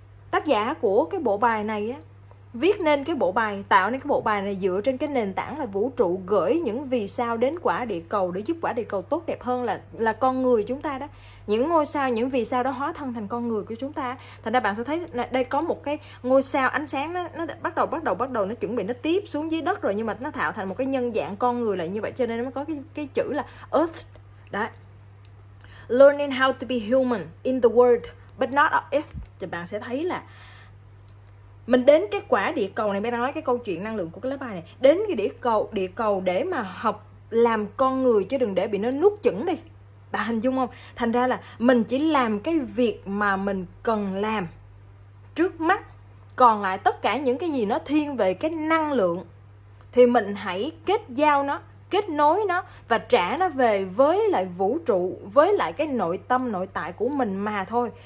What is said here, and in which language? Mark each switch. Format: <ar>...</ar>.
<vi>Tác giả của cái bộ bài này á, viết nên cái bộ bài, tạo nên cái bộ bài này dựa trên cái nền tảng là vũ trụ gửi những vì sao đến quả địa cầu để giúp quả địa cầu tốt đẹp hơn, là con người chúng ta đó. Những ngôi sao, những vì sao đó hóa thân thành con người của chúng ta. Thành ra bạn sẽ thấy là đây có một cái ngôi sao ánh sáng đó, nó bắt đầu nó chuẩn bị nó tiếp xuống dưới đất rồi, nhưng mà nó tạo thành một cái nhân dạng con người là như vậy. Cho nên nó mới có cái chữ là Earth đó.</vi> <en>Learning how to be human in the world but not on Earth.</en> <vi>Thì bạn sẽ thấy là mình đến cái quả địa cầu này, mình đang nói cái câu chuyện năng lượng của cái lá bài này, đến cái địa cầu để mà học làm con người, chứ đừng để bị nó nuốt chửng đi. Bạn hình dung không? Thành ra là mình chỉ làm cái việc mà mình cần làm trước mắt, còn lại tất cả những cái gì nó thiên về cái năng lượng thì mình hãy kết giao nó, kết nối nó và trả nó về với lại vũ trụ, với lại cái nội tâm nội tại của mình mà thôi.</vi>